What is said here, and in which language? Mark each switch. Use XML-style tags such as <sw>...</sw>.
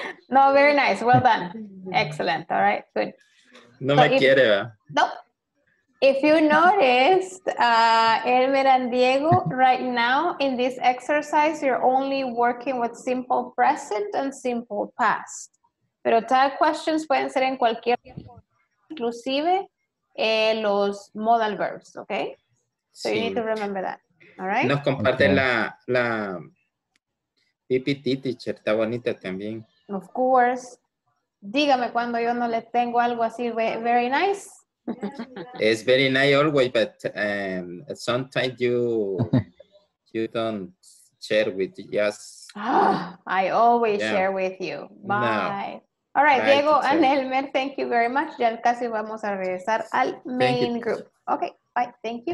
<en>No, very nice. Well done. Excellent. All right. Good. No so me if, quiere, ¿verdad? No. If you noticed, Elmer and Diego, right now in this exercise, you're only working with simple present and simple past.</en> <es>Pero tal questions pueden ser en cualquier tiempo, inclusive los modal verbs, okay?</es> <en>So sí. You need to remember that, all right?</en> <es>Nos comparten la PPT teacher, está bonita también.</es> <en>Of course.</en> <es>Dígame cuando yo no le tengo algo así,</es> <en>very nice. It's very nice always, but sometimes you don't share with us. I always share with you. Bye. No. All right, bye, Diego teacher. And Elmer, thank you very much.</en> <es>Ya casi vamos a regresar al main group.</es> <en>Okay, bye. Thank you.</en>